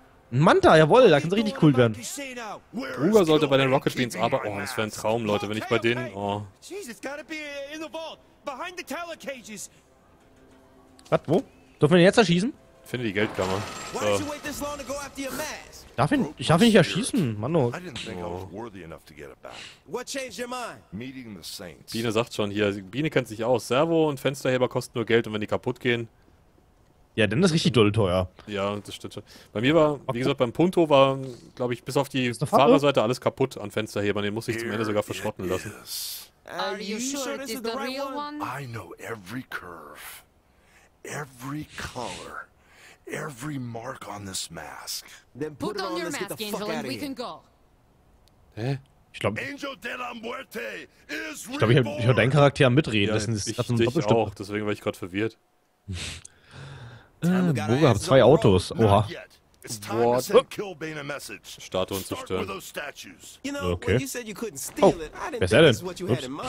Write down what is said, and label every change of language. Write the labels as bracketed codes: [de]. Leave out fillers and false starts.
[de] Ein Manta, jawohl, da kann's richtig cool werden. Bruder sollte bei den Rocket Beans arbeiten. Oh, das wäre ein Traum, Leute, wenn ich bei denen... Oh. [en] Jesus, gotta be in the vault, behind the teller cages. [de] Was, wo? Dürfen wir den jetzt erschießen? Ich finde die Geldkammer. So. Darf ihn nicht erschießen, Manno. Oh. Biene sagt schon hier, Biene kennt sich aus. Servo und Fensterheber kosten nur Geld und wenn die kaputt gehen... Ja, dann ist richtig doll teuer. Ja, das stimmt schon. Bei mir war, wie gesagt, beim Punto war, glaube ich, bis auf die Fahrerseite alles kaputt an Fensterhebern. Den musste ich zum Ende sogar verschrotten lassen. [en] Are you sure this is the real one? I know every curve. Every color, every mark on this mask. Then put on your mask, Angel, and we can go. Hä? [de] Ich glaube, Angel de la Muerte is real. Ich glaube, ich höre deinen Charakter mitreden. Ja, das ist ich dich auch, deswegen war ich gerade verwirrt. Boga, hab zwei Autos. Oha. What? Statuen zerstören. Okay. Oh, wer ist er denn? Ups.